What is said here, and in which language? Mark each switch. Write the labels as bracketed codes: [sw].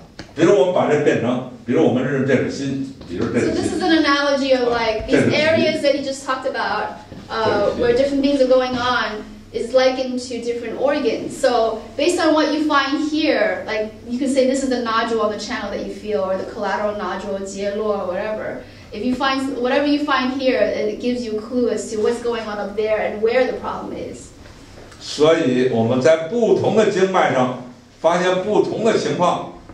[zh] 那么一定产生有油的地方，这个油矿，这一定发生事故了。所以，在经络上出现一些异常的时候，一定跟它上面有密切关系，而且出现了不同的情况，是不同的脏。比如我们把这变成。比如我们认识这是心，比如这是心。 [en] So this is an analogy of like these areas that he just talked about, where different things are going on, is likened to different organs. So based on what you find here, like you can say this is the nodule on the channel that you feel, or the collateral nodule, 结络 or whatever. If you find whatever you find here, it gives you a clue as to what's going on up there and where the problem is. [zh] 所以我们在不同的经脉上发现不同的情况。